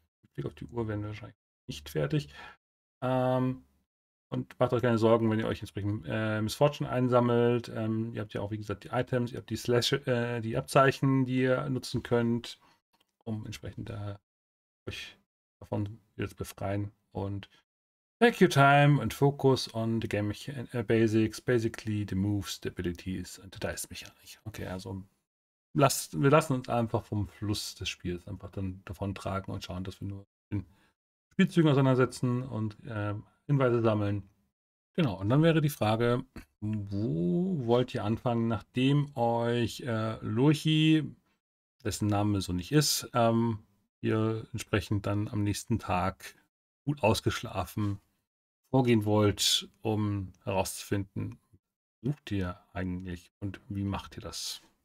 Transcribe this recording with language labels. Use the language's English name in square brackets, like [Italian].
[German] Mit Blick auf die Uhr werden wir wahrscheinlich nicht fertig. Und macht euch keine Sorgen, wenn ihr euch entsprechend Miss Fortune einsammelt. Ihr habt ja auch, wie gesagt, die Items, ihr habt die Slash, die Abzeichen, die ihr nutzen könnt, um entsprechend da euch davon wieder zu befreien. Und [English] take your time and focus on the game basics, basically the moves, the abilities and the dice mechanic. [German] Okay, also wir lassen uns einfach vom Fluss des Spiels einfach dann davon tragen und schauen, dass wir nur den Spielzügen auseinandersetzen und Hinweise sammeln. Genau, und dann wäre die Frage, wo wollt ihr anfangen, nachdem euch Lurchi, dessen Name so nicht ist, ihr entsprechend dann am nächsten Tag gut ausgeschlafen vorgehen wollt, um herauszufinden, was sucht ihr eigentlich und wie macht ihr das?